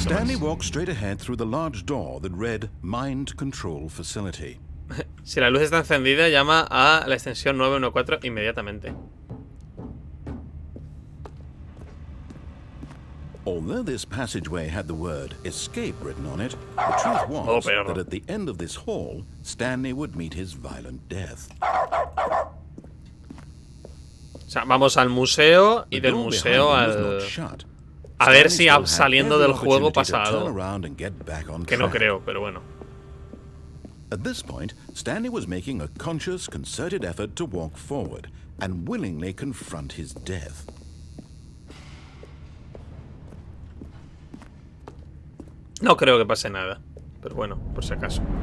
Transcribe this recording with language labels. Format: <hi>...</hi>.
<en>Stanley walked straight ahead through the large door that read Mind Control Facility.</en> <es>Si la luz está encendida, llama a la extensión 914 inmediatamente.</es> <en>Although this passageway had the word escape written on it, the truth was that at the end of this hall, Stanley would meet his violent death.</en> <es>O sea, vamos al museo y del museo al... A ver si saliendo del juego pasa algo. Que no creo, pero bueno.</es> <en>At this point, Stanley was making a conscious, concerted effort to walk forward and willingly confront his death.</en> <es>No creo que pase nada, pero bueno, por si acaso.</es>